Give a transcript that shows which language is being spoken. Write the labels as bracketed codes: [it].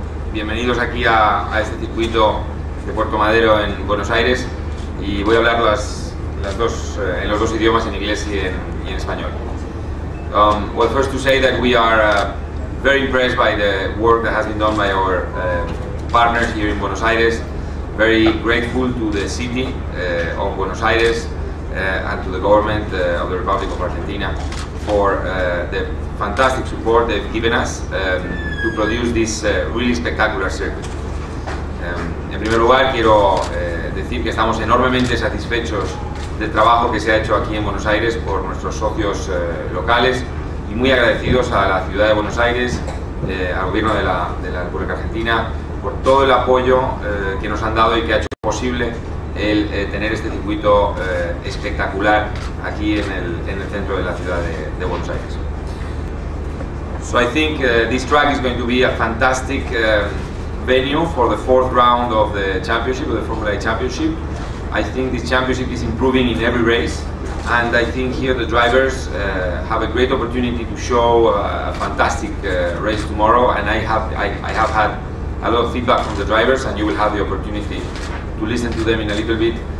[es] Bienvenidos aquí a este circuito de Puerto Madero en Buenos Aires. Y voy a hablar en los dos idiomas, en inglés y en español. [en] Well, first to say that we are very impressed by the work that has been done by our partners here in Buenos Aires. Very grateful to the city of Buenos Aires and to the government of the Republic of Argentina for the fantastic support they've given us to produce this really spectacular circuit. [es] En primer lugar, quiero decir que estamos enormemente satisfechos del trabajo que se ha hecho aquí en Buenos Aires por nuestros socios locales y muy agradecidos a la ciudad de Buenos Aires, al gobierno de la República Argentina, por todo el apoyo que nos han dado y que ha hecho posible el tener este circuito espectacular aquí en el centro de la ciudad de Buenos Aires. [en] So I think this track is going to be a fantastic venue for the fourth round of the championship, of the Formula E Championship. I think this championship is improving in every race, and I think here the drivers have a great opportunity to show a fantastic race tomorrow, and I have had a lot of feedback from the drivers, and you will have the opportunity to listen to them in a little bit.